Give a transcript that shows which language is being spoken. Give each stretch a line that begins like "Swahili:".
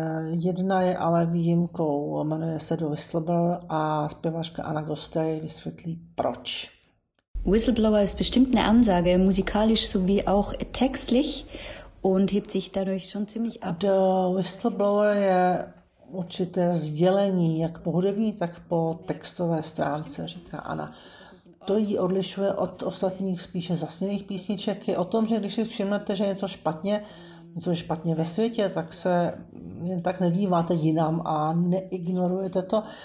Czech: Jedna je ale výjimkou, jmenuje se The Whistleblower a zpěvačka Anna Gostey vysvětlí proč.
German: Whistleblower ist bestimmt eine Ansage, musikalisch sowie auch textlich und hebt sich dadurch schon ziemlich ab.
Czech: The Whistleblower je určité sdělení, jak po hudební, tak po textové stránce, říká Anna. To jí odlišuje od ostatních spíše zasněných písniček, je o tom, že když si všimnete, že něco špatně, něco je špatně ve světě, tak se jen tak nedíváte jinam a neignorujete to.